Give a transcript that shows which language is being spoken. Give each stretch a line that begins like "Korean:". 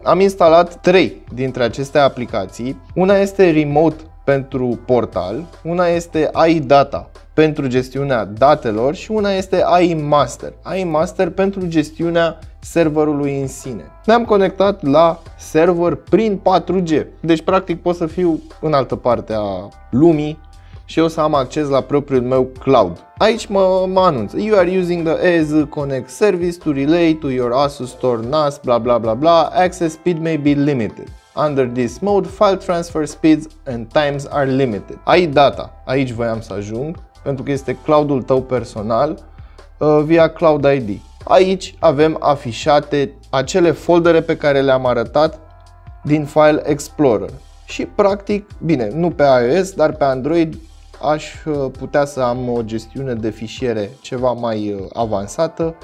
Romanian: Am instalat 3 dintre aceste aplicații. Una este Remote pentru portal, una este AI Data pentru gestiunea datelor și una este AI Master. AI Master pentru gestiunea serverului în sine. Ne-am conectat la server prin 4G, deci practic pot să fiu în altă parte a lumii și eu să am acces la propriul meu cloud. Aici mă anunț,
English: you are using the AZ Connect service to relay to your Asus Store NAS, bla bla bla bla, access speed may be limited. Under this mode, file transfer speeds and times are limited.
Romanian: AI Data, aici voiam să ajung, pentru că este cloudul tău personal, via Cloud ID. Aici avem afișate acele foldere pe care le-am arătat din File Explorer. Și practic, bine, nu pe iOS, dar pe Android aș putea să am o gestiune de fișiere ceva mai avansată.